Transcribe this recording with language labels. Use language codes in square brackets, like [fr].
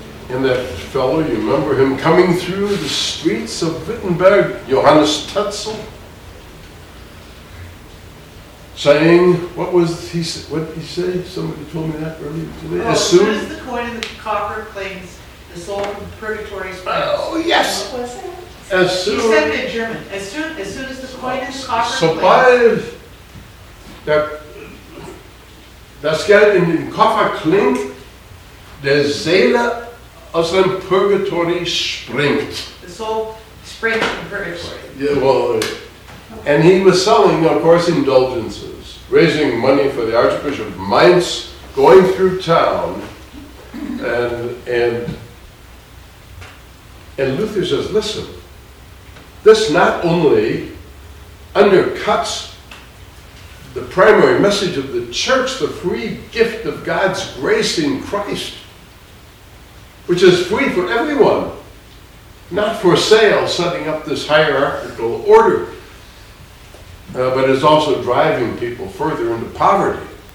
[en] And that fellow, you remember him coming through the streets of Wittenberg, Johannes Tetzel, saying, what was he, what did he say? Somebody told me that earlier today. Oh, as soon as the coin and the copper claims the soul from purgatory springs. Oh, yes. What was it? As soon. He said it in German. As soon as the coin and copper claims. [de] Das Geld in den Koffer klingt, der Seele aus dem Purgatory springt. [en] The soul springs from purgatory. Yeah, well, and he was selling, of course, indulgences, raising money for the Archbishop of Mainz, going through town, and Luther says, listen, this not only undercuts the primary message of the church, the free gift of God's grace in Christ, which is free for everyone, not for sale, setting up this hierarchical order, but is also driving people further into poverty.